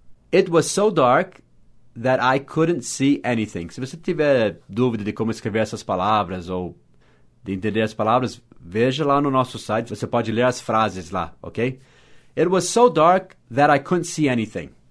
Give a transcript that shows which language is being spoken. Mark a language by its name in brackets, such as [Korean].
[English] It was so dark that I couldn't see anything. [Portuguese] Se você tiver dúvida de como escrever essas palavras ou de entender as palavras, veja lá no nosso site, você pode ler as frases lá, ok? [English] It was so dark that I couldn't see anything.